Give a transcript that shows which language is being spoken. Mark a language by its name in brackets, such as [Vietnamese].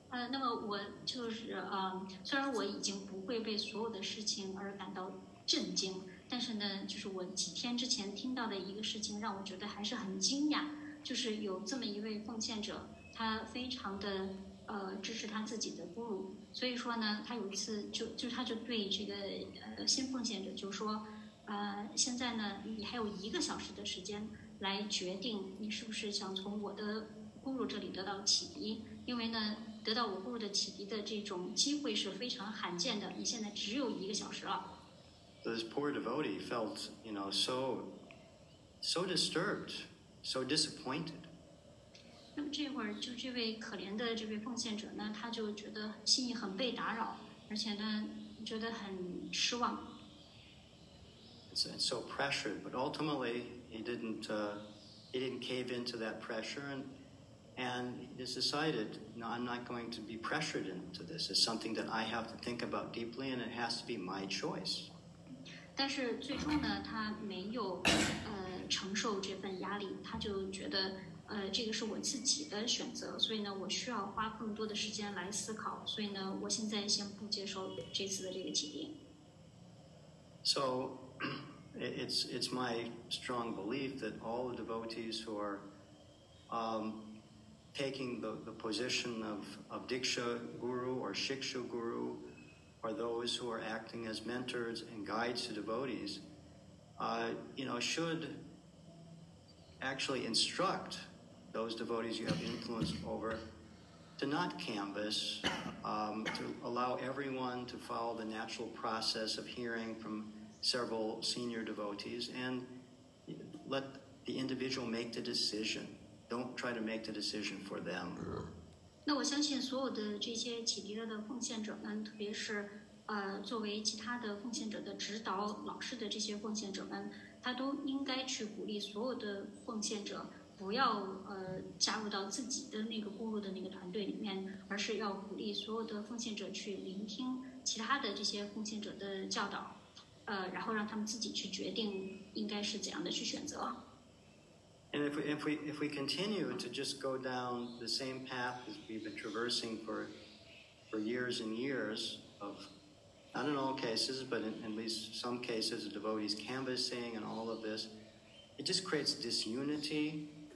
[Chinese] 那么我就是虽然我已经不会被所有的事情而感到震惊，但是呢，就是我几天之前听到的一个事情让我觉得还是很惊讶，就是有这么一位奉献者，他非常的支持他自己的guru，所以说呢，他有一次就他就对这个新奉献者就说。现在呢你还有一个小时的时间来决定你是不是想从我的咕噜这里得到启迪，因为呢得到我咕噜的启迪的这种机会是非常罕见的，你现在只有一个小时了。 [English] This poor devotee felt, you know, so disturbed, so disappointed. [Chinese] 那么这会儿就这位可怜的这位奉献者呢他就觉得心意很被打扰，而且呢觉得很失望。 [English] And so pressured, but ultimately he didn't cave into that pressure, and he decided, no, I'm not going to be pressured into this. It's something that I have to think about deeply, and it has to be my choice. [Chinese] 但是最终呢，他没有承受这份压力，他就觉得这个是我自己的选择，所以呢，我需要花更多的时间来思考，所以呢，我现在先不接受这次的这个启迪。 [English] So. It's my strong belief that all the devotees who are taking the position of Diksha Guru or Shiksha Guru or those who are acting as mentors and guides to devotees, you know, should actually instruct those devotees you have influence over to not canvass, to allow everyone to follow the natural process of hearing from... several senior devotees and let the individual make the decision. Don't try to make the decision for them. [Chinese] 那我相信所有的这些启迪的奉献者们，特别是作为其他的奉献者的指导老师的这些奉献者们，他都应该去鼓励所有的奉献者不要加入到自己的那个咕噜的那个团队里面，而是要鼓励所有的奉献者去聆听其他的这些奉献者的教导。然后让他们自己去决定应该是怎样的去选择。 [English] And if we continue to just go down the same path as we've been traversing for years and years of, not in all cases, but in at least some cases, the devotees canvassing and all of this, it just creates disunity.